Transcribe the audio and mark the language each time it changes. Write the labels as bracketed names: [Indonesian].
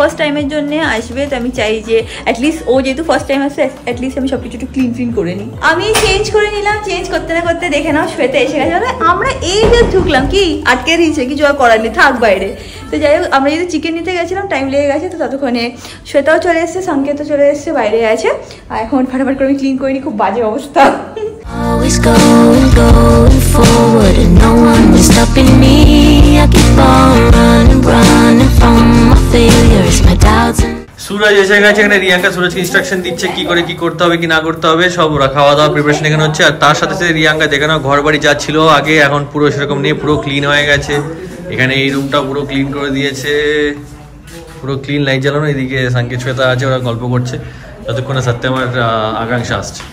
[Bangla] আমি চেঞ্জ করে নিলাম, চেঞ্জ করতে না করতে দেখে নাও শ্বেতা এসে গেছে, আমরা এই যে ঢুকলাম কি আটকে দিয়েছে, কিছু আর করার নেই, থাক বাইরে। তো যাই হোক আমরা যদি চিকেন নিতে গেছিলাম টাইম লেগে গেছে, তো ততক্ষণে শ্বেতাও চলে এসেছে, সংকেতও চলে এসেছে, বাইরে আছে, আর এখন ফটাফট করে আমি ক্লিন করে নি, খুব বাজে অবস্থা। [English] Always going forward and no one was stopping me, I keep on running, running from my failures, my doubts and... [Bangla] Suraj এসে গেছে এখানে, রিয়াঙ্কা সুরজকে ইনস্ট্রাকশন দিচ্ছে কি করে কি করতে হবে কি না করতে হবে, সব ওরা খাওয়া দাওয়া প্রিপারেশন এখানে হচ্ছে। আর তার সাথে সাথে রিয়াঙ্কা দেখানো ঘর বাড়ি যা ছিল আগে এখন পুরো সেরকম নিয়ে পুরো ক্লিন হয়ে গেছে। এখানে এই রুমটা পুরো ক্লিন করে দিয়েছে, পুরো ক্লিন লাইট জ্বালানো, এদিকে সাংকেত শ্বেতা আছে ওরা গল্প করছে, যতক্ষণে সত্যি আমার আকাঙ্ক্ষা আসছে।